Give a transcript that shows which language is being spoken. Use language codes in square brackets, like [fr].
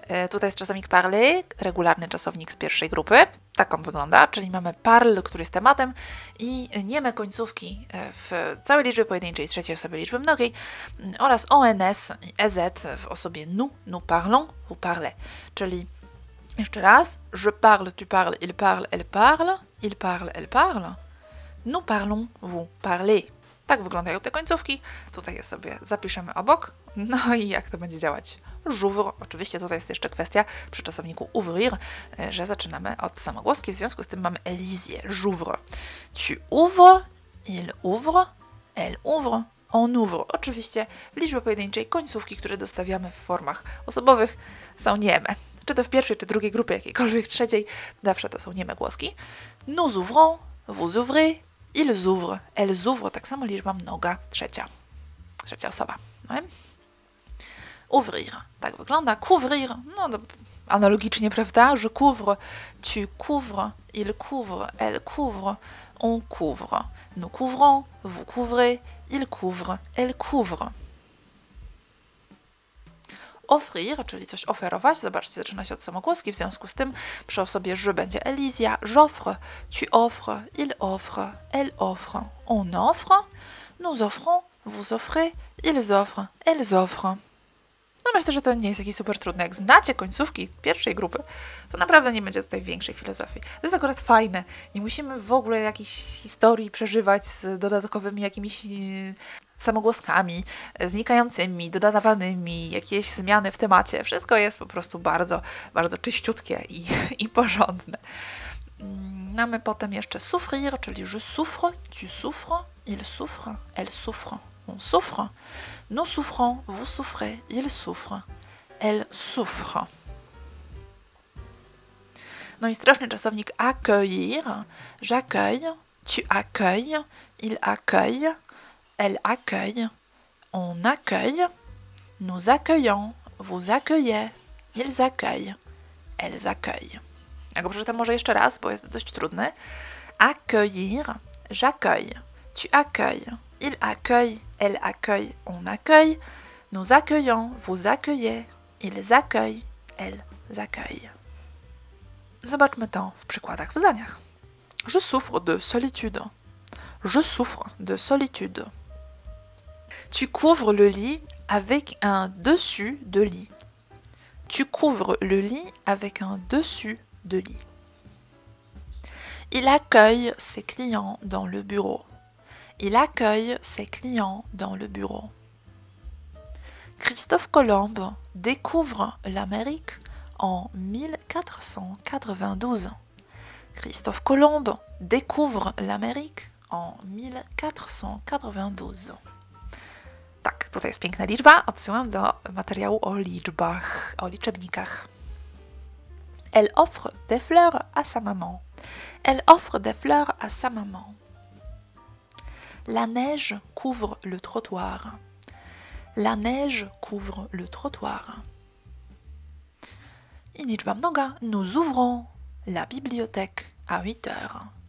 [pl] Tutaj jest czasownik parler, regularny czasownik z pierwszej grupy. Tak on wygląda, czyli mamy parl, który jest tematem i nieme końcówki w całej liczbie pojedynczej, trzeciej osobie liczby mnogiej oraz ONS i EZ w osobie [fr] nous parlons, vous parlez. [pl] Czyli jeszcze raz, [fr] je parle, tu parles, il parle, elle parle, elle parle, nous parlons, vous parlez. [pl] Tak wyglądają te końcówki, tutaj je sobie zapiszemy obok. No i jak to będzie działać? [fr] J'ouvre, [pl] oczywiście tutaj jest jeszcze kwestia przy czasowniku ouvrir, że zaczynamy od samogłoski, w związku z tym mamy elizję, [fr] j'ouvre. Tu ouvre, il ouvre, elle ouvre, on ouvre. [pl] Oczywiście w liczbie pojedynczej końcówki, które dostawiamy w formach osobowych, są nieme. Czy to w pierwszej, czy drugiej grupie, jakiejkolwiek trzeciej, zawsze to są nieme głoski. [fr] Nous ouvrons, vous ouvrez, ils ouvrent, elles ouvrent, [pl] tak samo liczba mnoga, trzecia osoba. No. Ouvrir, tak wygląda. Couvrir, no analogicznie, prawda? [fr] Je couvre, tu couvres, il couvre, elle couvre, on couvre. Nous couvrons, vous couvrez, il couvre, elle couvre. [pl] Offrir, czyli coś oferować, zobaczcie, zaczyna się od samogłoski, w związku z tym przy osobie je będzie Elizia. [fr] J'offre, tu offres, il offre, elle offre, on offre, nous offrons, vous offrez, ils offrent, elles offrent. [pl] No myślę, że to nie jest jakieś super trudne. Jak znacie końcówki pierwszej grupy, to naprawdę nie będzie tutaj większej filozofii. To jest akurat fajne. Nie musimy w ogóle jakiejś historii przeżywać z dodatkowymi jakimiś samogłoskami, znikającymi, dodawanymi, jakieś zmiany w temacie. Wszystko jest po prostu bardzo, bardzo czyściutkie i porządne. Mamy potem jeszcze [fr] souffrir, czyli je souffre, tu souffres, il souffre, elle souffre, on souffre, nous souffrons, vous souffrez, il souffre, elle souffre. [pl] No i straszny czasownik [fr] accueillir, j'accueille, tu accueilles, il accueille, elle accueille, on accueille, nous accueillons, vous accueillez, ils accueillent, elles accueillent. [pl] Jak przeczytam może jeszcze raz, bo jest dość trudne. [fr] Accueillir, j'accueille, tu accueilles, il accueille, elle accueille, on accueille, nous accueillons, vous accueillez, ils accueillent, elles accueillent. [pl] Zobaczmy to w przykładach, w zdaniach. [fr] Je souffre de solitude. Je souffre de solitude. Tu couvres le lit avec un dessus de lit. Tu couvres le lit avec un dessus de lit. Il accueille ses clients dans le bureau. Il accueille ses clients dans le bureau. Christophe Colomb découvre l'Amérique en 1492. Christophe Colomb découvre l'Amérique en 1492. [pl] Tak, tutaj jest piękna liczba. Odsyłam do materiału o liczbach, o liczebnikach. [fr] Elle offre des fleurs à sa maman. Elle offre des fleurs à sa maman. La neige couvre le trottoir. La neige couvre le trottoir. [pl] I liczba mnoga. [fr] Nous ouvrons la bibliothèque à 8 heures.